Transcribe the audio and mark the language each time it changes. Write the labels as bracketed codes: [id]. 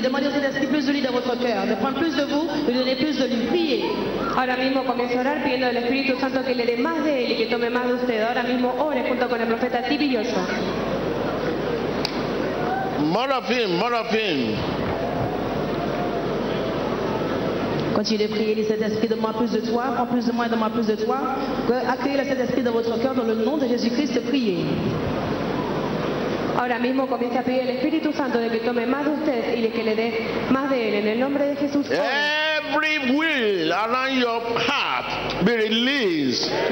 [fr] Demandez au Saint-Esprit plus de lui dans votre cœur. De prendre plus de vous, de donner plus de lui. Priez. [es] Ahora mismo comienzo a orar pidiendo al Espíritu Santo que le dé más de él y que tome más de usted. Ahora mismo ore junto con el profeta Tibioso. [en] More of him, more of him. [fr] Continue de prier, les Saint-Esprit, donne-moi plus de toi, prends plus de moi, donne-moi plus de toi. Accueillez le Saint-Esprit dans votre cœur, dans le nom de Jésus-Christ, priez. [es] Ahora mismo comienza a pedir al Espíritu Santo de que tome más de usted y de que le dé más de él en el nombre de Jesús. [en] Every will around your heart be released.